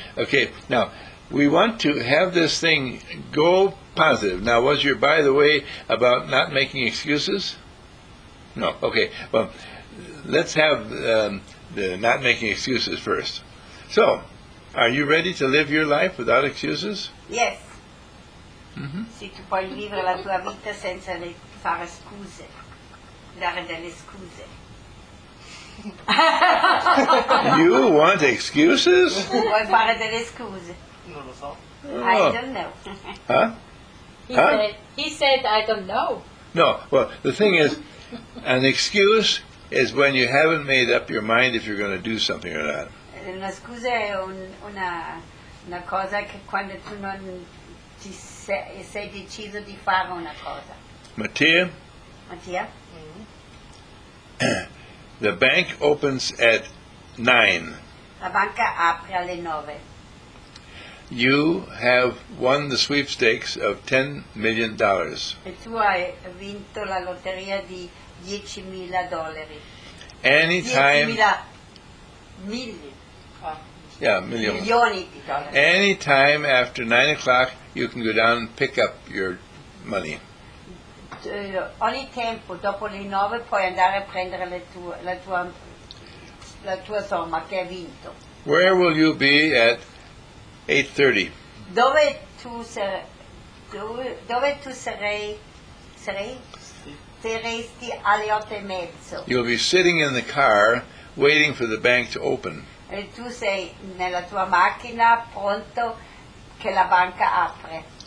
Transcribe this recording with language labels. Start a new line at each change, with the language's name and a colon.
English: okay, now, we want to have this thing go positive. Now, was your by the way about not making excuses? No, okay. Well, let's have the not making excuses first. So, are you ready to live your life without excuses? Yes.
Italian: Mm-hmm. Se tu puoi vivere la tua vita senza fare scuse, dare delle scuse.
English: You want excuses?
Italian: Vuoi fare delle scuse? Non lo so.
English: I don't know. Huh? He said, I don't know. No, well, the thing is, an excuse is when you haven't made up your mind if you're going to do something or not.
Italian: Una scusa è una cosa che quando tu non ti sei deciso di fare una cosa. Mattia?
English: The bank opens at 9.
Italian: La banca apre alle 9.
English: You have won the sweepstakes of $10 million.
Italian: E tu hai vinto la lotteria di $10,000.
English: Anytime.
Italian: Milioni di dollari.
English: Anytime after 9 o'clock, you can go down and pick up your money.
Italian: Ogni tempo dopo le 9 puoi andare a prendere la tua somma che hai vinto.
English: Where will you be at 8:30?
Italian: Dove tu saresti alle 8:30?
English: You'll be sitting in the car waiting for the bank to open.
Italian: E tu sei nella tua macchina pronto che la banca apre.